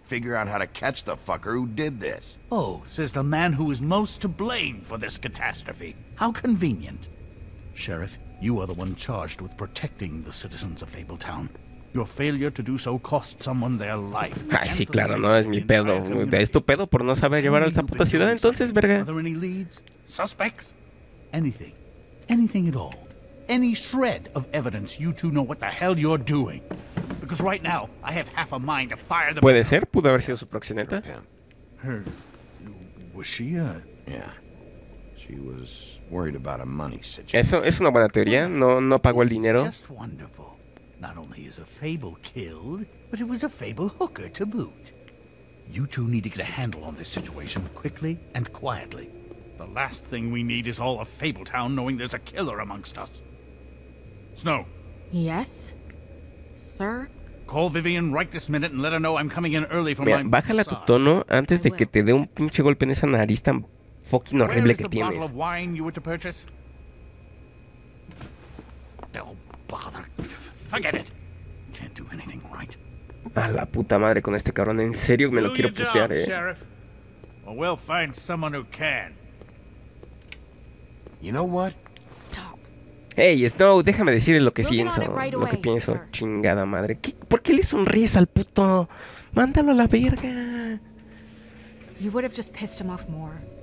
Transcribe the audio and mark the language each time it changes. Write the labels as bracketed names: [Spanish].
[English] Figure out how to catch the fucker who did this. Oh, says the man who is most to blame for this catastrophe. How convenient. Sheriff, you are the one charged with protecting the citizens of Fabletown. Your failure to do so cost someone their life. [Spanish] Ay, sí, claro, no es mi pedo. Es tu pedo por no saber llevar a esta puta ciudad entonces, verga. [English] Are there any leads? Suspects? Anything. Anything at all. Any shred of evidence you two know what the hell you're doing. Because right now, I have half a mind to fire the... [Spanish] ¿Puede ser? ¿Pudo haber sido su proxeneta? [English] Her... Was she a... Yeah. She was worried about a money situation. [Spanish] Eso es una buena teoría. No, no pagó el dinero. [English] Just wonderful. Not only is a fable killed, but it was a fable hooker to boot. You two need to get a handle on this situation quickly and quietly. The last thing we need is all of Fabletown knowing there's a killer amongst us. Snow. Yes, sir. Call Vivian right this minute and let her know I'm coming in early for my massage. [Spanish] Bájale tu tono antes de que te dé un pinche golpe en esa nariz tan fucking horrible que tienes. [English] Where is the bottle of wine you were to purchase? Don't bother. Forget it. Can't do anything right. [Spanish] A la puta madre con este cabrón. En serio me lo quiero putear, [English] Sheriff. Well, we'll find someone who can. You know what? Stop. [Spanish] Hey, Snow, déjame decirle lo que pienso. Lo que pienso, chingada madre. ¿Qué, por qué le sonríes al puto? Mándalo a la verga. [English] You would have just pissed him off more.